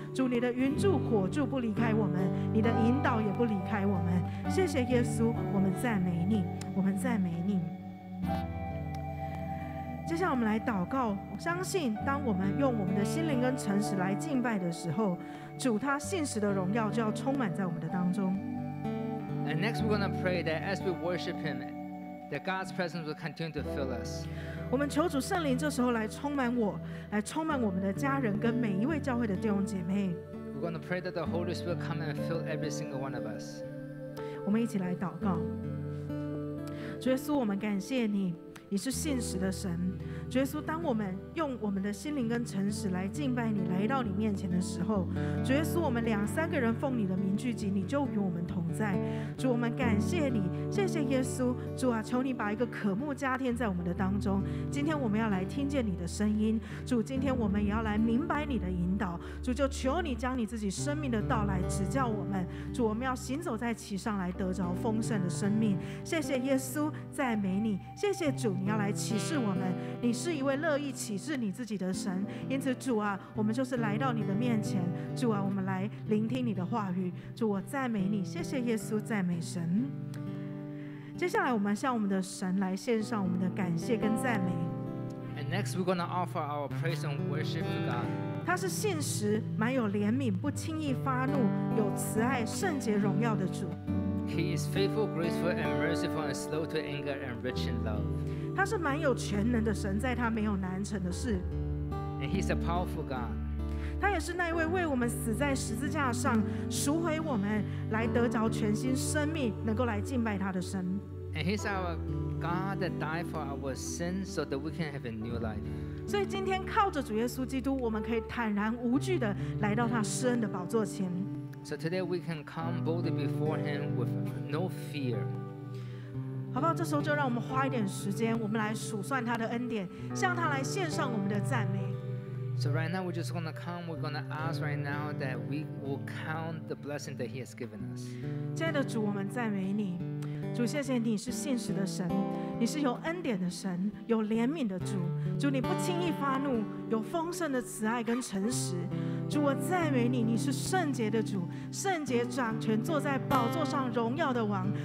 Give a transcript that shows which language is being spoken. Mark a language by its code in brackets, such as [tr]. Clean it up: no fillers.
[zh] 主，你的云柱火柱不离开我们，你的引导也不离开我们。谢谢耶稣，我们赞美你，我们赞美你。接下来我们来祷告，我相信当我们用我们的心灵跟诚实来敬拜的时候，主他信实的荣耀就要充满在我们的当中。 [en] And next we're going to pray that as we worship Him, that God's presence will continue to fill us. [zh] 我们求主圣灵这时候来充满我，来充满我们的家人跟每一位教会的弟兄姐妹。 [en] We We're going to pray that the Holy Spirit come and fill every single one of us. [zh] 我们一起来祷告。主耶稣，我们感谢你，你是信实的神。主耶稣，当我们用我们的心灵跟诚实来敬拜你，来到你面前的时候，主耶稣，我们两三个人奉你的名聚集，你就与我们同在。主，我们感谢你，谢谢耶稣。主啊，求你把一个渴慕加添在我们的当中。今天我们要来听见你的声音，主，今天我们也要来明白你的引导。主，就求你将你自己生命的道来指教我们。主，我们要行走在其上来得着丰盛的生命。谢谢耶稣，赞美你。谢谢主，你要来启示我们，你是一位乐意启示你自己的神。因此主啊，我们就是来到你的面前，主啊，我们来聆听你的话语。主，我赞美你，谢谢耶稣，赞美神。接下来我们向我们的神来献上我们的感谢跟赞美。 [en] And next we're going to offer our praise and worship to God. [zh] 他是信实，满有怜悯，不轻易发怒，有慈爱，圣洁荣耀的主。 [en] He is faithful, graceful, and merciful, and slow to anger, and rich in love. [zh] 他是满有全能的神，在他没有难成的事。 [en] And he's a powerful God. [zh] 他也是那一位为我们死在十字架上，赎回我们，来得着全新生命，能够来敬拜他的神。 [en] And he's our God that died for our sins so that we can have a new life. [zh] 所以今天靠着主耶稣基督，我们可以坦然无惧地来到他施恩的宝座前。 [en] So today we can come boldly before him with no fear. [zh] 好不好，这时候就让我们花一点时间，我们来数算他的恩典，向他来献上我们的赞美。 [en] So right now we're just going to come, we're going to ask right now that we will count the blessing that he has given us. [zh] 亲爱的主，我们赞美你。主，谢谢你是信实的神，你是有恩典的神，有怜悯的主。主，你不轻易发怒，有丰盛的慈爱跟诚实。主，我赞美你，你是圣洁的主，圣洁掌权坐在宝座上荣耀的王。